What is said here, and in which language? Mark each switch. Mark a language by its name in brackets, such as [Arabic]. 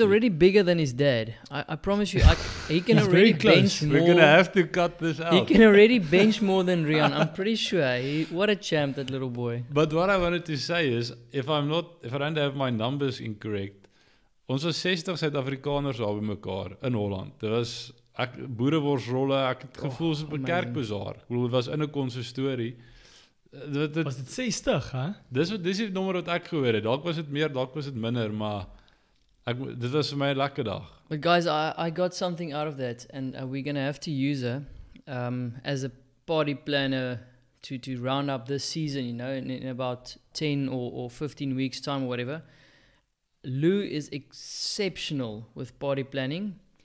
[English] He's already bigger than his dad. I promise you, he can already very close. Bench more. We're going to have to cut this out. He can already bench more than Rian. I'm pretty sure. What a champ, that little boy. But what I wanted to say is, if I don't have my numbers incorrect, [Afrikaans] ons was 60 Suid-Afrikaners al by mekaar in Holland. [English] There was [Afrikaans] boereworsrolle, ek het gevoel soos 'n kerkbazaar. [English] It was in [Afrikaans] 'n konsistorie. Was dit 60, hè? Dis die nommer wat ek gehoor het. Dalk was dit meer, dalk was dit minder, maar dit was vir my 'n lekker dag. [English] But guys, I got something out of that, and we're going to have to use as a party planner to round up this season, you know, in about 10 or 15 weeks time or whatever. Lou is exceptional with party planning.